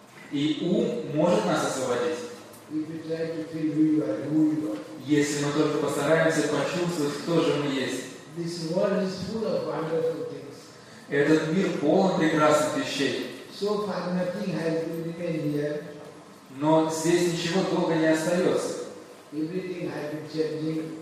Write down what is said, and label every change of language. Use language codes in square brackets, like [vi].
[ru] И ум может нас освободить. [en] If you try to feel who you are, who you are. [ru] Если мы только постараемся почувствовать, кто же мы есть. [en] This world is full of wonderful things. [ru] Этот мир полон прекрасных вещей. [en] So far nothing has remained here. [ru] Но здесь ничего долго не остается. [en] Everything has been changing.